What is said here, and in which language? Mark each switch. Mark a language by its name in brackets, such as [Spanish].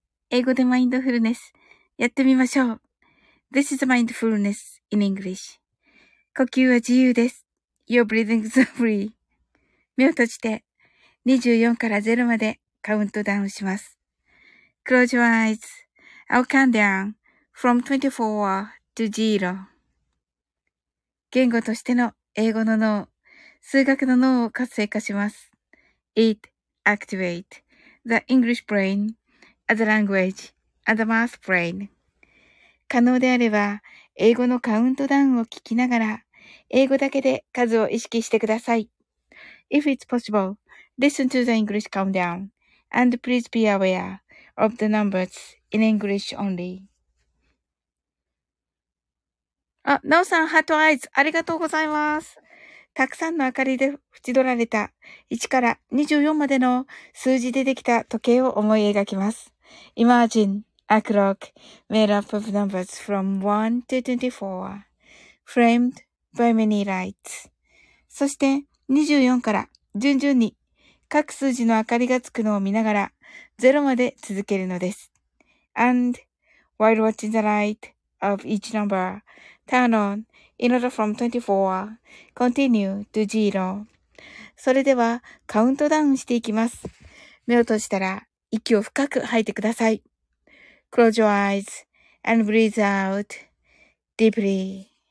[Japanese] 英語でマインドフルネスやってみましょう。 [English] This is mindfulness in English. [Japanese] 呼吸は自由です。 [English] Your breathing is free. [Japanese] 目を閉じて24から0までカウントダウンします。 [English] Close your eyes. I'll count down from 24 to 0. [Japanese] 言語としての英語の脳、数学の脳を活性化します。 [English] It activate. The English brain as a language and the math brain. [Japanese] 可能であれば、英語のカウントダウンを聞きながら、英語だけで数を意識してください。 [English] If it's possible, listen to the English countdown and please be aware of the numbers in English only. [Japanese] あ、ナオさん、ハートアイズ、ありがとうございます。たくさんの明かりで縁取られた1から24までの数字でできた時計を思い描きます。 [English] Imagine a clock made up of numbers from 1 to 24, framed by many lights. [Japanese] そして24から順々に各数字の明かりがつくのを見ながら0まで続けるのです。 [English] And while watching the light of each number, turn on. In order from 24, continue to zero. [Japanese] それではカウントダウンしていきます。目を閉じたら息を深く吐いてください。 [English] Close your eyes and breathe out deeply.